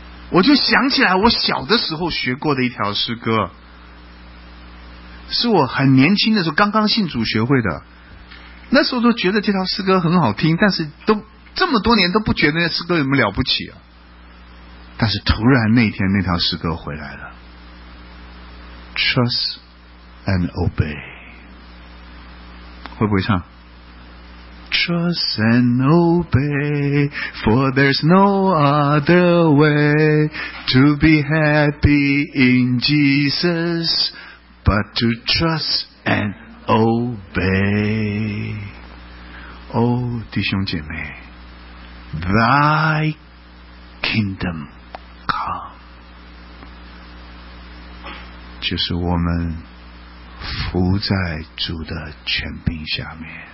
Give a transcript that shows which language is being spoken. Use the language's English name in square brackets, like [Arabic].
[Chinese] 我就想起来我小的时候学过的一条诗歌，是我很年轻的时候刚刚信主学会的，那时候都觉得这条诗歌很好听，但是都这么多年都不觉得那诗歌有什么了不起啊。但是突然那天那条诗歌回来了， [English] Trust and obey。 [Chinese] 会不会唱？ [English] Trust and obey, for there's no other way to be happy in Jesus but to trust and obey. [Chinese] Oh, 弟兄姐妹， [English] Thy kingdom come, [Chinese] 就是我们伏在主的权柄下面。